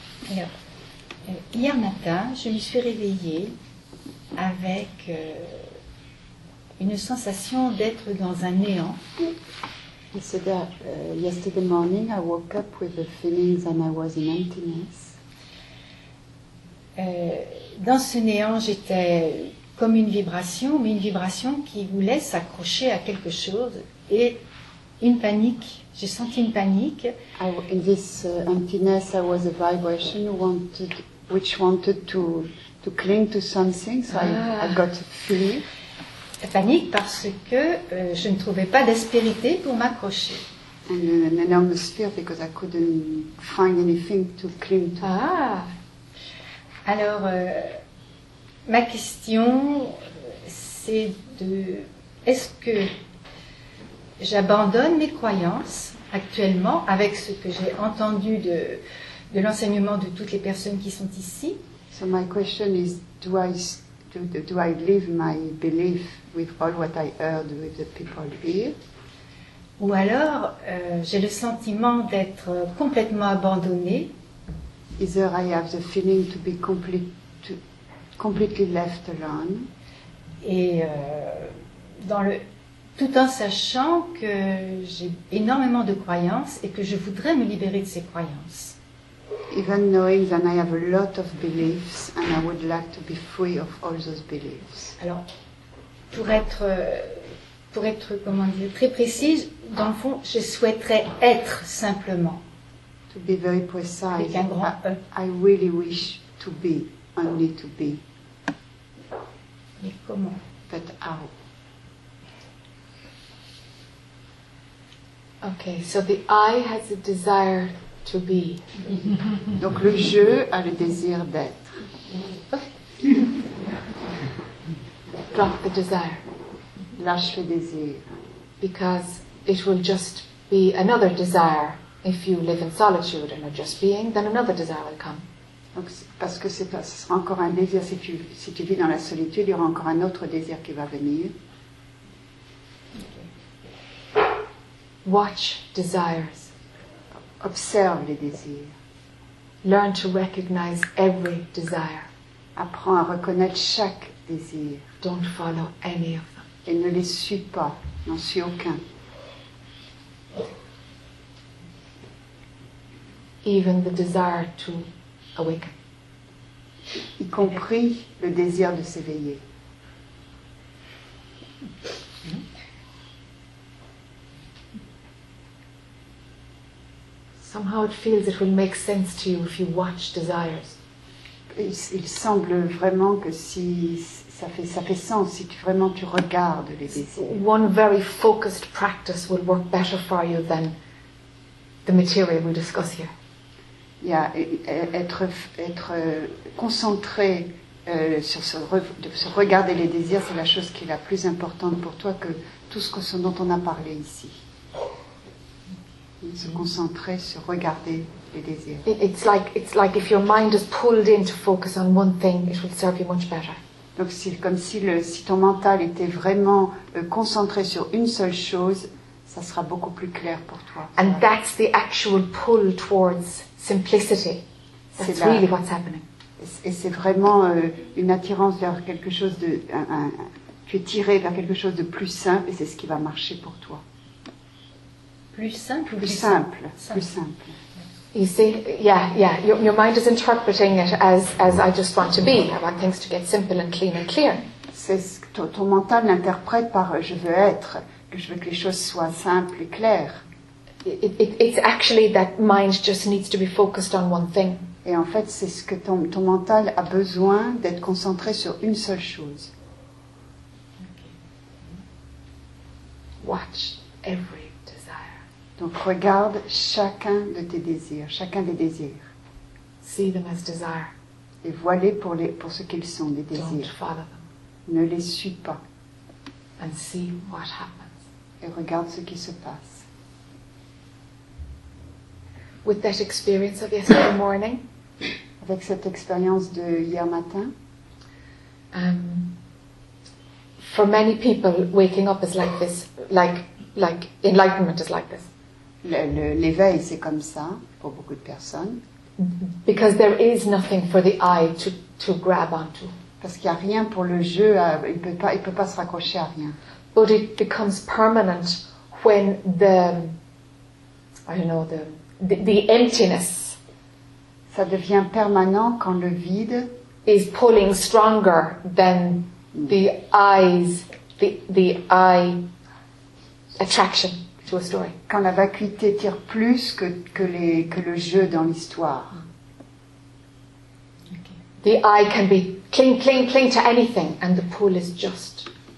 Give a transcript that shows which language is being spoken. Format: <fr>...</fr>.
<en>Yeah.</en> <fr>matin, je me suis réveillée avec une sensation d'être dans un néant.</fr> <en>He said that yesterday morning I woke up with the feeling that I was in emptiness.</en> <fr>Dans ce néant, j'étais comme une vibration, mais une vibration qui voulait s'accrocher à quelque chose et une panique. J'ai senti une panique.</fr> <en>In this emptiness, I was a vibration which wanted to cling to something, so I got a feeling.</en> <fr>La panique parce que je ne trouvais pas d'aspérité pour m'accrocher.</fr> <en>And an enormous fear because I couldn't find anything to cling to. Ah.</en> <fr>Alors, ma question, c'est de, est-ce que j'abandonne mes croyances actuellement avec ce que j'ai entendu de l'enseignement de toutes les personnes qui sont ici?</fr> <en>So my question is, do I leave my belief with all what I heard with the people here?</en> <fr>Ou alors, j'ai le sentiment d'être complètement abandonnée.</fr> <en>Either I have the feeling to be completely left alone.</en> <fr>Et tout en sachant que j'ai énormément de croyances et que je voudrais me libérer de ces croyances.</fr> <en>Even knowing that I have a lot of beliefs and I would like to be free of all those beliefs.</en> <fr>Alors, pour être comment dire, très précise, dans le fond, je souhaiterais être simplement.</fr> <en>To be very precise,</en> <fr>un grand</fr> <en>I really wish to be, only to be.</en> <fr>Mais comment?</fr> <en>But how? Okay, so the I has a desire to be.</en> <fr>Donc le je a le désir d'être.</fr> <en>Drop the desire.</en> <fr>Lâche le désir.</fr> <en>Because it will just be another desire. If you live in solitude and are just being, then another desire will come.</en> <fr>Donc, parce que c'est pas, ce sera encore un désir si tu vis dans la solitude, il y aura encore un autre désir qui va venir.</fr> <en>Okay. Watch desires.</en> <fr>Observe les désirs.</fr> <en>Learn to recognize every desire.</en> <fr>Apprends à reconnaître chaque désir.</fr> <en>Don't follow any of them.</en> <fr>Et ne les suis pas, n'en suis aucun.</fr> <en>Even the desire to awaken.</en> <fr>Y compris le désir de s'éveiller.</fr> <en>Somehow it feels it will make sense to you if you watch desires.</en> <fr>Il semble vraiment que si ça fait sens si tu regardes les désirs.</fr> <en>One very focused practice will work better for you than the material we discuss here.</en> <fr>Yeah, être concentré sur se regarder les désirs, c'est la chose qui est la plus importante pour toi que tout ce dont on a parlé ici. Se concentrer sur regarder les désirs.</fr> <en>It's like if your mind is pulled in to focus on one thing, it will serve you much better.</en> <fr>Donc c'est comme si ton mental était vraiment concentré sur une seule chose, ça sera beaucoup plus clair pour toi.</fr> <en>And that's the actual pull towards simplicity. That's really what's happening.</en> <fr>Et c'est vraiment une attirance vers quelque chose de. Tu es tiré vers quelque chose de plus simple et c'est ce qui va marcher pour toi. Plus simple ou plus simple.</fr> <en>You see, yeah. Your mind is interpreting it as I just want to be. I want things to get simple and clean and clear.</en> <fr>C'est ce que ton mental l'interprète par je veux être. Que je veux que les choses soient simples et claires.</fr> <en>It's actually that mind just needs to be focused on one thing.</en> <fr>Et en fait, c'est ce que ton mental a besoin d'être concentré sur une seule chose.</fr> <en>Okay. Watch every desire.</en> <fr>Donc regarde chacun de tes désirs, chacun des désirs.</fr> <en>See them as desire.</en> <fr>Et vois-les pour ce qu'ils sont, des désirs.</fr> <en>Don't follow them.</en> <fr>Ne les suis pas.</fr> <en>And see what happens.</en> <fr>Et regarde ce qui se passe.</fr> <en>With that experience of yesterday morning,</en> <fr>avec cette expérience de hier matin,</fr> <en>for many people, waking up is like this, like enlightenment is like this.</en> <fr>L'éveil, c'est comme ça pour beaucoup de personnes.</fr> <en>Because there is nothing for the eye to to grab onto.</en> <fr>Parce qu'il y a rien pour le jeu, il peut pas se raccrocher à rien.</fr> <en>But it becomes permanent when the, I don't know, the emptiness.</en> <fr>Ça devient permanent quand le vide</fr> <en>is pulling stronger than the eyes, the eye attraction to a story.</en> <fr>Quand la vacuité tire plus que le jeu dans l'histoire.</fr> <en>Okay. The eye can be cling, cling, cling to anything, and the pull is just.</en>